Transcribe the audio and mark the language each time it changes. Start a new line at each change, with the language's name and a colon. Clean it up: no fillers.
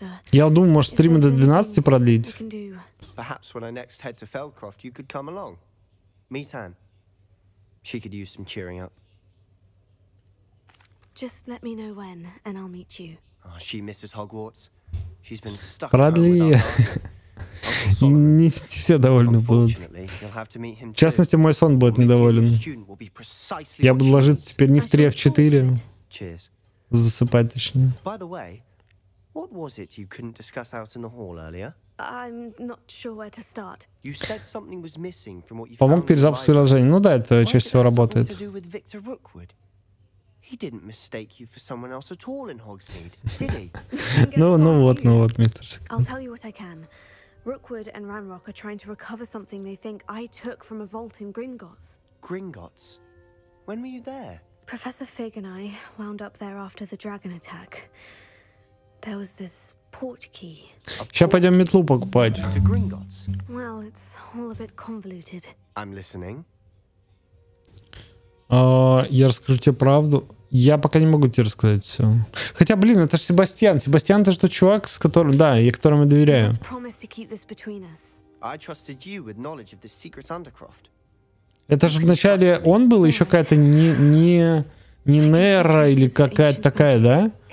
Russian: Я думаю, может, стримы до 12 продлить.
English: Perhaps when I next head to Fellcroft, you could come along. Meet Anne. She could use some cheering up. Just let me know when, and I'll meet you. Oh, she misses Hogwarts. She's been stuck.
Russian: Продли. не все довольны будут. В частности, мой сон будет недоволен. Я буду ложиться теперь не в 3, а в 4. Засыпать точнее.
English: By the way, what was it you couldn't discuss out in the hall earlier? I'm not sure where to start. You said something was missing from what you found.
Russian: Помог перезапуск приложения. Ну да, это чаще всего работает.
English: What did it have to do with Victor Rookwood? He didn't mistake you for someone else at all in Hogsmeade, did he?
Russian: Ну вот, мистер.
English: I'll tell you what I can. Rookwood and Ranrock are trying to recover something they think I took from a vault in Gringotts. Gringotts? When were you there? Professor Fig and I wound up there after the dragon attack. There was this port key.
Russian: Сейчас пойдем метлу покупать.
English: Well, it's all a bit convoluted. I'm listening.
Russian: Я расскажу тебе правду. Я пока не могу тебе рассказать все. Хотя, блин, это же Себастьян. Себастьян — это же тот чувак, с которым, да, я которому доверяю.
English: He promised to keep this between us. I trusted you with knowledge of the secret undercroft.
Russian: Это же вначале он был еще какая-то не Нера или какая-то такая, да?